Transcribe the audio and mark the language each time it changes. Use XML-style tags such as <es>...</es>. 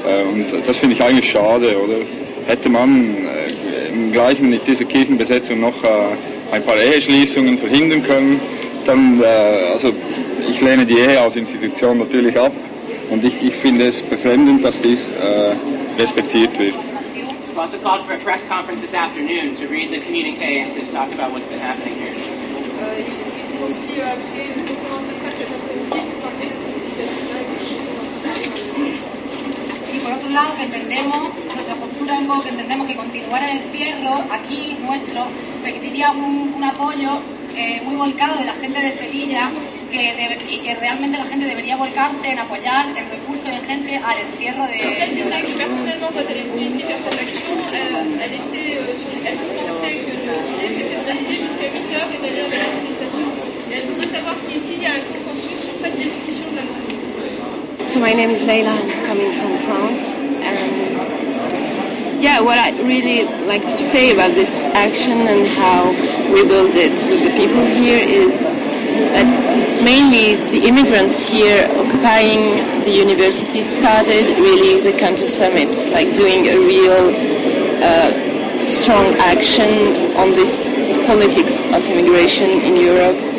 <de>Und das finde ich eigentlich schade, oder? Hätte man gleich mit dieser Kirchenbesetzung noch ein paar Eheschließungen verhindern können, dann, ich lehne die Ehe als Institution natürlich ab, und ich finde es befremdend, dass dies respektiert wird.</de> <en>You also called for a press conference this afternoon to read the communique and to talk about what's been happening here.</en> <es>Y por otro lado, que entendemos, nuestra postura es que entendemos que continuar el encierro aquí nuestro requeriría un apoyo muy volcado de la gente de Sevilla, que realmente la gente debería volcarse en apoyar el recurso de gente al encierro de...</es> <fr>Elle disait que personnellement, quand elle est venue ici faire cette action, elle pensait que l'idée c'était de rester jusqu'à 8h et d'aller à la manifestation. Elle voudrait savoir si ici il y a un consensus sur cette définition de la zone.</fr> <en>So my name is Leila, I'm coming from France. Yeah, what I really like to say about this action and how we build it with the people here is that mainly the immigrants here occupying the university started really the counter summit, like doing a real strong action on this politics of immigration in Europe.</en>